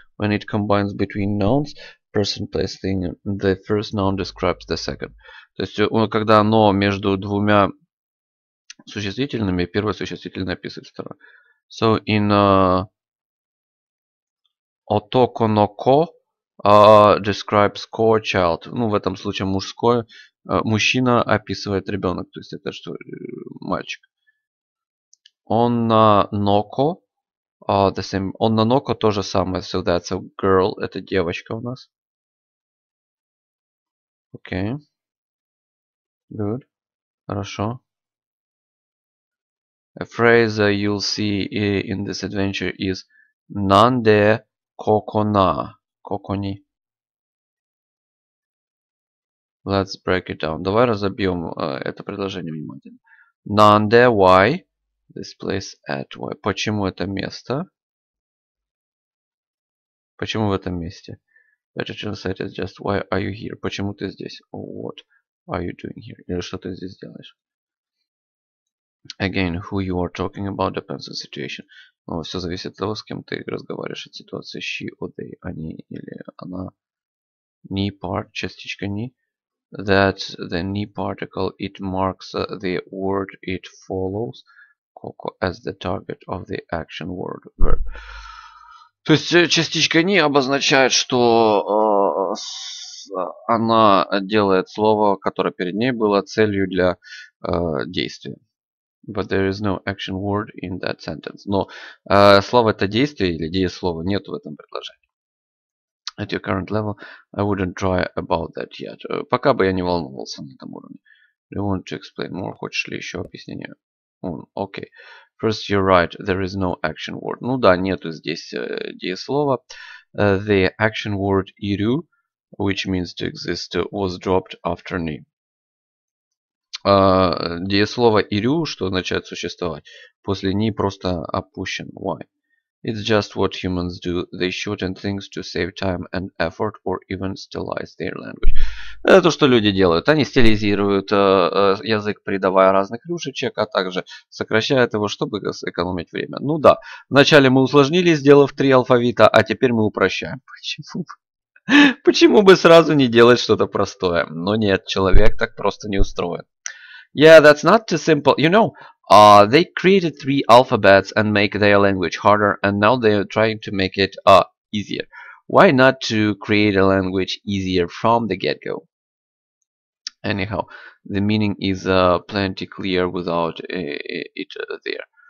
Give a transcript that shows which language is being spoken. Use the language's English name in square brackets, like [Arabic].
[English] When it combines between nouns, person, place, thing, the first noun describes the second. [Russian] То есть, когда но между двумя существительными, первое существительное описывает второе. [English] So, in otoko no ko describes ko child. [Russian] Ну, в этом случае мужское. Мужчина описывает ребенок. То есть, это что? Мальчик. Onna noko. [English] The same. [Russian] Onna noko то же самое. [English] So that's a girl. [Russian] Это девочка у нас. Окей. Okay. Good. Хорошо. [English] A phrase that you'll see in this adventure is Nande kokona. [Japanese] Kokoni. [English] Let's break it down. [Russian] Давай разобьем это предложение внимательно. [English] Nande, why? This place at why? [Russian] Почему это место? Почему в этом месте? [English] Better translate is just why are you here? [Russian] Почему ты здесь? [English] Or what are you doing here? [Russian] Или что ты здесь делаешь? [English] Again, who you are talking about depends on situation. [Russian] Но все зависит от того, с кем ты разговариваешь, от ситуации. [English] She or they, [Russian] они или она. [English] Ni part, [Russian] частичка ni. [English] That the ni particle, it marks the word it follows. Coco as the target of the action word verb. [Russian] То есть частичка не обозначает, что она делает слово, которое перед ней было целью для действия. [English] But there is no action word in that sentence. [Russian] Но слово это действие или дееслово нет в этом предложении. [English] At your current level, I wouldn't try about that yet. [Russian] Пока бы я не волновался на этом уровне. [English] Do you want to explain more? [Russian] Хочешь ли еще объяснение? [English] Okay. First, you're right. There is no action word. [Russian] Ну да, нету здесь дееслова. [English] The action word iru, which means to exist, was dropped after ni. [Russian] Дееслово iru, что означает существовать, после ni просто опущен. [English] Why? It's just what humans do. They shorten things to save time and effort or even stylize their language. [Russian] Это то, что люди делают. Они стилизируют язык, придавая разных рюшечек, а также сокращают его, чтобы сэкономить время. Ну да, вначале мы усложнили, сделав три алфавита, а теперь мы упрощаем. Почему? Почему бы сразу не делать что-то простое? Но нет, человек так просто не устроен. [English] Yeah, that's not too simple. You know, they created three alphabets and make their language harder, and now they are trying to make it easier. Why not to create a language easier from the get-go? Anyhow, the meaning is plenty clear without it there.